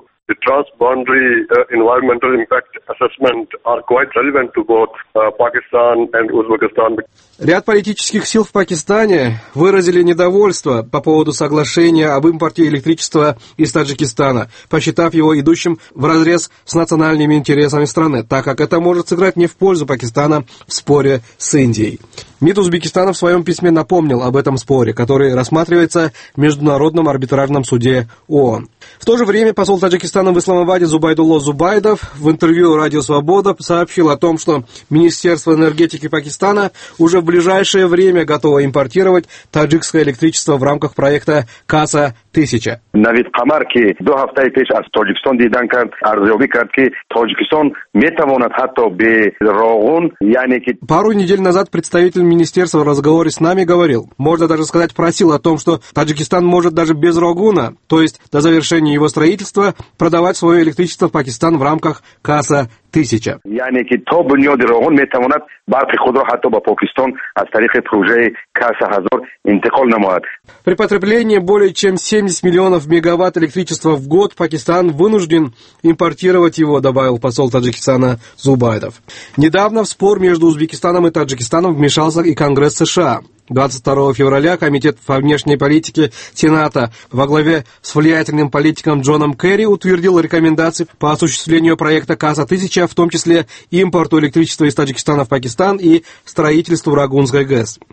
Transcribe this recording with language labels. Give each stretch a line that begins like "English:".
English: the transboundary environmental impact assessment are quite relevant to both Pakistan and Uzbekistan.
Russian: Ряд политических сил в Пакистане выразили недовольство по поводу соглашения об импорте электричества из Таджикистана, посчитав его идущим вразрез с национальными интересами страны, так как это может сыграть не в пользу Пакистана в споре с Индией. МИД Узбекистана в своем письме напомнил об этом споре, который рассматривается в Международном арбитражном суде ООН. В то же время посол Таджикистана в Исламабаде Зубайдулло Зубайдов в интервью «Радио Свобода» сообщил о том, что Министерство энергетики Пакистана уже в ближайшее время готово импортировать таджикское электричество в рамках проекта «КАСА-1000».
Tajik: Навид Камарки до хафтаи пеш аз Тоҷикистон дидан кард, арзёбӣ кард ки Тоҷикистон метавонад ҳатто бе роғун, яъне ки
Russian: пару недель назад представитель министерства в разговоре с нами говорил, можно даже сказать, просил о том, что Таджикистан может даже без Рогуна, то есть до завершения его строительства, продавать свое электричество в Пакистан в рамках КАСА-1000.
Tajik: Яъне ки то бунёди Рогун метавонад барқи худро ҳатто ба Покистон аз тариқи проектаи КАСА-1000 интиқол намояд.
Russian: При потреблении более чем 70 миллионов мегаватт электричества в год Пакистан вынужден импортировать его, добавил посол Таджикистана Зубайдов. Недавно в спор между Узбекистаном и Таджикистаном вмешался и Конгресс США. 22 февраля Комитет по внешней политике Сената во главе с влиятельным политиком Джоном Керри утвердил рекомендации по осуществлению проекта КАСА-1000, в том числе импорту электричества из Таджикистана в Пакистан и строительству Рагунской ГЭС.